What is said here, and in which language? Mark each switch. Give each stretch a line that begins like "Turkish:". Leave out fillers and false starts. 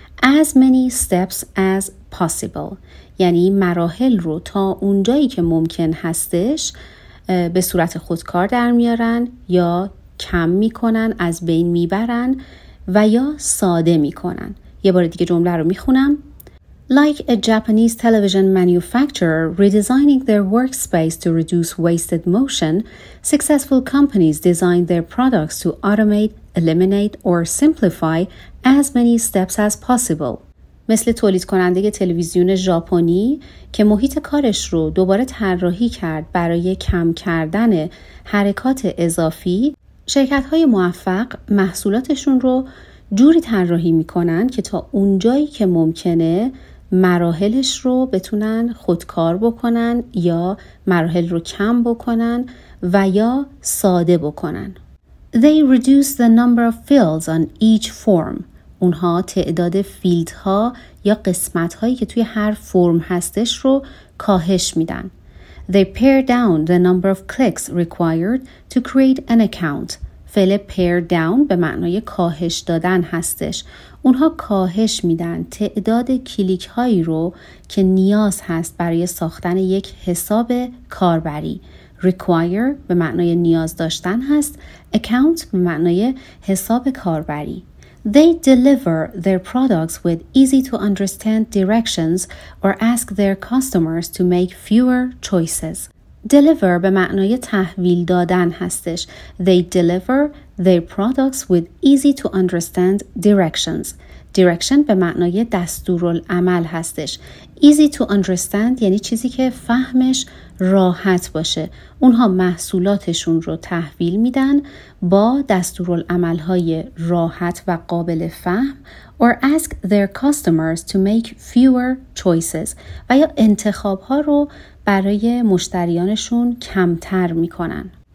English: as many steps as possible
Persian: یعنی مراحل رو تا اونجایی که ممکن هستش به صورت خودکار در میارن یا کم میکنن، از بین میبرن و یا ساده میکنن. یه بار دیگه جمله رو میخونم.
English: Like a Japanese television manufacturer redesigning their workspace to reduce wasted motion, successful companies design their products to automate, eliminate or simplify as many steps as possible.
Persian: مثل تولید کننده تلویزیون ژاپنی که محیط کارش رو دوباره طراحی کرد برای کم کردن حرکات اضافی، شرکت‌های موفق محصولاتشون رو جوری طراحی می‌کنن که تا اونجایی که ممکنه مراحلش رو بتونن خودکار بکنن یا مراحل رو کم بکنن و یا ساده بکنن.
English: They reduce the number of fields on each form.
Persian: اونها تعداد فیلدها یا قسمت‌هایی که توی هر فرم هستش رو کاهش میدن.
English: They pare down the number of clicks required to create an account.
Persian: فعل pare down به معنای کاهش دادن هستش. اونها کاهش میدن تعداد کلیک‌هایی رو که نیاز هست برای ساختن یک حساب کاربری. Require به معنای نیاز داشتن هست. Account به معنای حساب کاربری.
English: They deliver their products with easy to understand directions or ask their customers to make fewer choices.
Persian: Deliver به معنای تحویل دادن هستش.
English: They deliver their products with easy to understand directions.
Persian: Direction به معنای دستورالعمل هستش.
English: Easy to understand
Persian: یعنی چیزی که فهمش راحت باشه. اونها محصولاتشون رو تحویل میدن با دستورالعمل‌های راحت و قابل فهم
English: or ask their customers to make fewer choices
Persian: و یا انتخاب‌ها رو برای مشتریانشون کمتر میکنن.